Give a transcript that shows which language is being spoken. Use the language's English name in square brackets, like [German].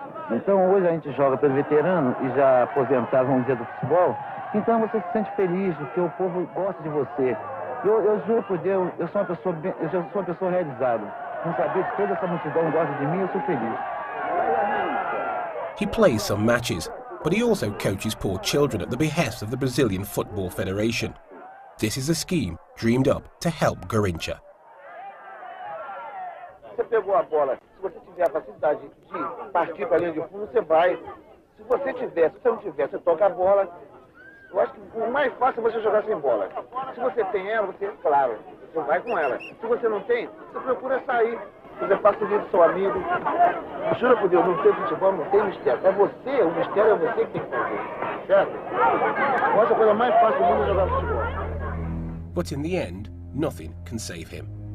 [Portuguese] Então hoje a gente joga pelo veterano e já aposentado, vamos dizer, do futebol, então você se sente feliz, porque o povo gosta de você. Eu juro por Deus, eu sou uma pessoa bem, eu sou uma pessoa realizada. Não sabia que toda essa multidão gosta de mim, eu sou feliz. [English] He plays some matches, but he also coaches poor children at the behest of the Brazilian Football Federation. This is a scheme dreamed up to help Garrincha. [Portuguese] Você pegou a bola. Se você tiver a facilidade de partir para a linha de fundo, você vai. Se você tiver, se você não tiver, você toca a bola. Eu acho que o mais fácil é você jogar sem bola. Se você tem ela, você, claro, você vai com ela. Se você não tem, você procura sair. Você passa o dia do seu amigo. Jura por Deus, não tem futebol, não tem mistério. É você, o mistério é você que tem que fazer. Certo? Eu acho a coisa mais fácil do mundo é jogar futebol. [English] But in the end, nothing can save him.